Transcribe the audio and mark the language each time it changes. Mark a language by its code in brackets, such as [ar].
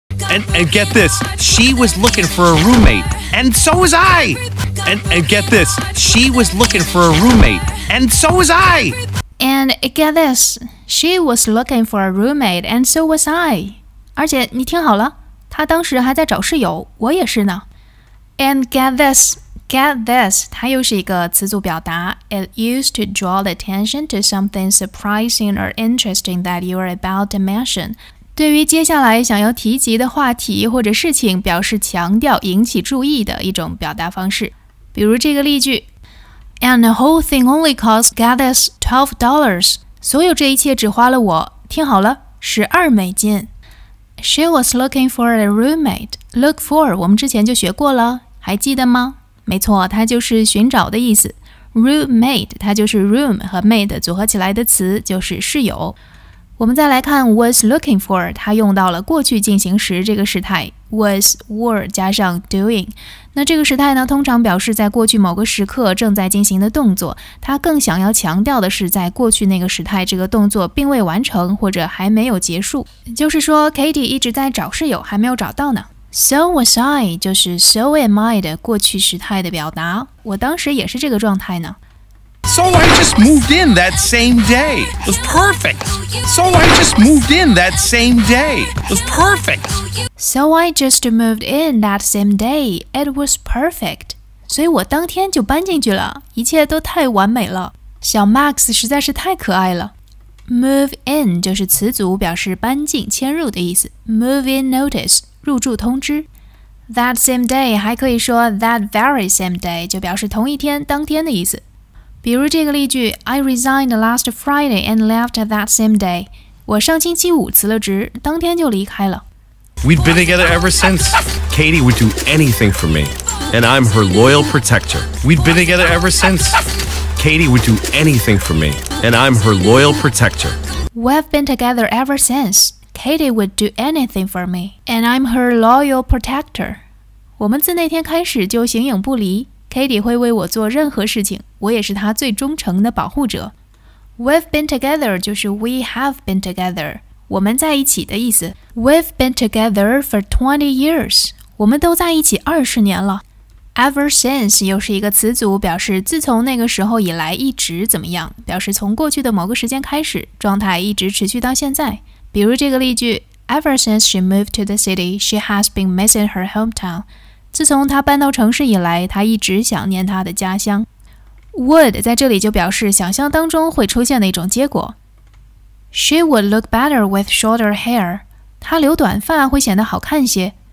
[en] And get this, she was looking for a roommate, and so was I. And get this, she was looking for a roommate, and so was I. And get this, she was looking for a roommate, and so was I. [zh] 而且你听好了，她当时还在找室友，我也是呢。 [en] And get this,Get this, [zh] 它又是一个词组表达。 [en] It used to draw attention to something surprising or interesting that you are about to mention. [zh] 对于接下来想要提及的话题或者事情表示强调引起注意的一种表达方式。比如这个例句。 [en] And the whole thing only cost, get this, $12. [zh] 所有这一切只花了我，听好了，12美金。 She was looking for a roommate. Look for, 我们之前就学过了，还记得吗？没错，它就是寻找的意思。 Roommate, 它就是 room 和 mate 组合起来的词，就是室友。我们再来看 was looking for, 它用到了过去进行时这个时态 ,was, were, 加上 doing。那这个时态呢，通常表示在过去某个时刻正在进行的动作，它更想要强调的是在过去那个时态这个动作并未完成或者还没有结束。就是说 ,Katie 一直在找室友还没有找到呢。 [en] So was I, [zh] 就是 [en] so am I [zh] 的过去时态的表达。我当时也是这个状态呢。 [en] So I just moved in that same day. It was perfect. So I just moved in that same day. It was perfect. So I just moved in that same day. It was perfect. [zh] 所以我当天就搬进去了，一切都太完美了。小 Max 实在是太可爱了。Move in 就是词组表示搬进、迁入的意思。 [en] Move in notice. [zh] 入住通知 [en] That same day [zh] 还可以说 [en] That very same day [zh] 就表示同一天当天的意思比如这个例句 [en] I resigned last Friday and left that same day [zh] 我上星期五辞了职当天就离开了 [en] We've been together ever since Katie would do anything for me And I'm her loyal protector We've been together ever since Katie would do anything for me, and I'm her loyal protector. We've been together ever since. Katie would do anything for me, and I'm her loyal protector. [zh] 我们自那天开始就形影不离。 Katie 会为我做任何事情，我也是她最忠诚的保护者。 [en] We've been together [zh] 就是 [en] we have been together， [zh] 我们在一起的意思。 [en] We've been together for 20 years， [zh] 我们都在一起20年了。 [en] Ever since [zh] 又是一个词组，表示自从那个时候以来一直怎么样，表示从过去的某个时间开始，状态一直持续到现在。比如这个例句 [en] ，Ever since she moved to the city, she has been missing her hometown。 [zh] 自从她搬到城市以来，她一直想念她的家乡。 Would 在这里就表示想象当中会出现的一种结果。 [en] She would look better with shorter hair。 [zh] 她留短发会显得好看些。